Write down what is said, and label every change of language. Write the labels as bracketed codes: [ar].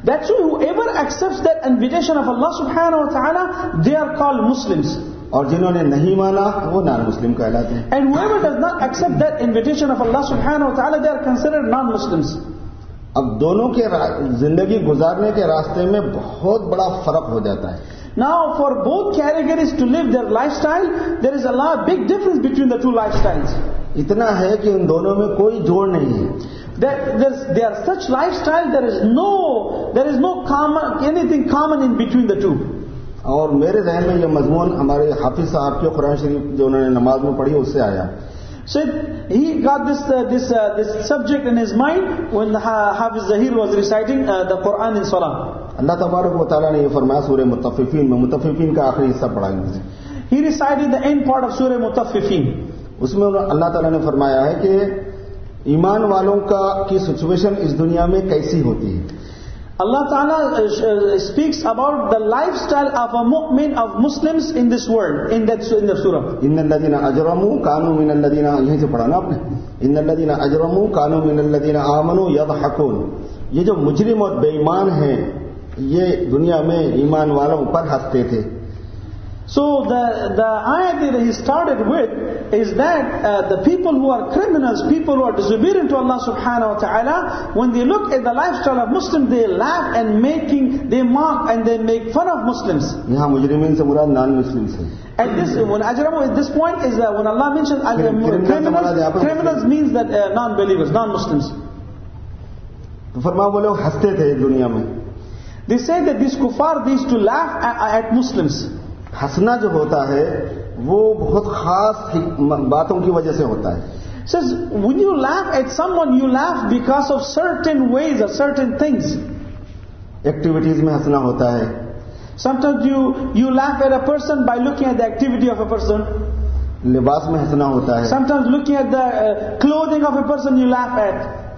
[en] That's why whoever accepts that invitation of Allah subhanahu wa ta'ala, they are called Muslims. [ur] اور جنہوں نے نہیں مانا وہ non-Muslim کہلاتے ہیں [en] And whoever does not accept that invitation of Allah subhanahu wa ta'ala, they are considered non-Muslims. [ur] اب دونوں کے زندگی گزارنے کے راستے میں بہت بڑا فرق ہو جاتا ہے [en] Now for both categories to live their lifestyle, there is a lot of big difference between the two lifestyles. [ur] اتنا ہے کہ ان دونوں میں کوئی جوڑ نہیں ہے [en] there are such lifestyle there is no common anything common in between the two [ur] اور میرے ذہن میں یہ مضمون ہمارے حافظ صاحب کے قرآن شریف جو انہوں نے نماز میں پڑھی اس سے آیا [en] so he got this subject in his mind when Hafiz Zahir was reciting the Quran in Salah [ur] اللہ تبارک و تعالی نے یہ فرمایا سورہ متففین میں متففین کا آخری حصہ پڑھائی مجھے [en] he recited the end part of surah Mutaffifin [ur] اس میں اللہ تعالیٰ نے فرمایا ہے کہ ایمان والوں کا کی سچویشن اس دنیا میں کیسی ہوتی ہے [en] Allah Ta'ala speaks about the lifestyle of a mu'min of Muslims in this world in the surah [ar] اِنَّ الَّذِينَ أَجْرَمُوا كَانُوا مِنَ الَّذِينَ [ur] یہیں سے پڑھانا آپ نے [ar] اِنَّ الَّذِينَ أَجْرَمُوا كَانُوا مِنَ الَّذِينَ آمَنُوا يَضْحَكُونَ [ur] یہ جو مجرم اور بے ایمان ہیں یہ دنیا میں ایمان والوں پر ہنستے تھے [en] So the ayat that he started with is that the people who are criminals, people who are disobedient to Allah subhanahu wa ta'ala, when they look at the lifestyle of Muslims, they laugh and they mock and they make fun of Muslims. [ur] یہاں مجرمین سے مراد non-Muslims ہیں. [en] At this, when ajram, at this point is that when Allah mentioned criminals means that non-believers, non-Muslims. [ur] تو فرمایا وہ لوگ ہنستے تھے دنیا میں. [en] They say that these kuffar, they used to laugh at Muslims. [ur] ہنسنا جو ہوتا ہے وہ بہت خاص باتوں کی وجہ سے ہوتا ہے [en] says, when you laugh at someone, you laugh because of certain ways or certain things. [ur] Activities mein hasna hota hai. [en] Sometimes you laugh at a person by looking at the activity of a person. [ur] Libas mein hasna hota hai. [en] Sometimes looking at the clothing of a person, you laugh at.